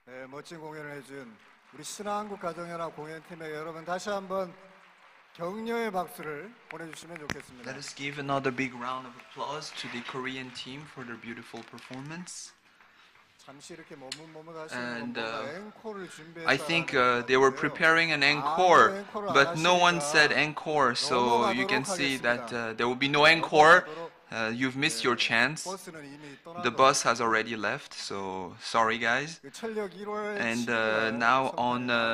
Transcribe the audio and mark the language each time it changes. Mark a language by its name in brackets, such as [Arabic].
[Korean] 멋진 공연을 해준 우리 신앙국 가정연합 공연팀에 여러분 다시 한번 격려의 박수를 보내주시면 좋겠습니다. [English] Let us give another big round of applause to the Korean team for their beautiful performance. [Korean] 잠시 이렇게 머뭇머뭇하시는 건가요? 앵콜을 준비했다. [English] I think they were preparing an encore, but no one said encore, so you can see that there will be no encore. You've missed your chance. The bus has already left, so sorry, guys. And now on